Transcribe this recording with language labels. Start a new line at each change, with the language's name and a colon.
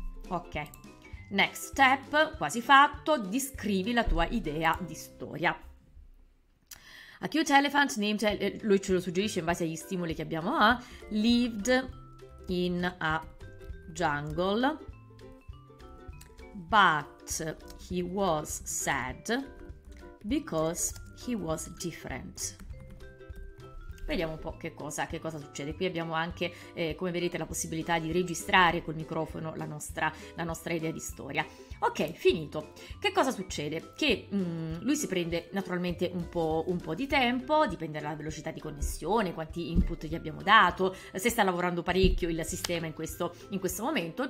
Italian: Ok,
English: next step,
Italian: quasi fatto, descrivi la tua idea di storia.
English: A cute elephant named,
Italian: lui ce lo suggerisce in base agli stimoli che abbiamo,
English: lived in a jungle. But he was sad because he was different.
Italian: Vediamo un po' che cosa succede. Qui abbiamo anche, come vedete, la possibilità di registrare col microfono la nostra idea di storia. Ok, finito. Che cosa succede? Che lui si prende naturalmente un po' di tempo, dipende dalla velocità di connessione, quanti input gli abbiamo dato, se sta lavorando parecchio il sistema in questo momento.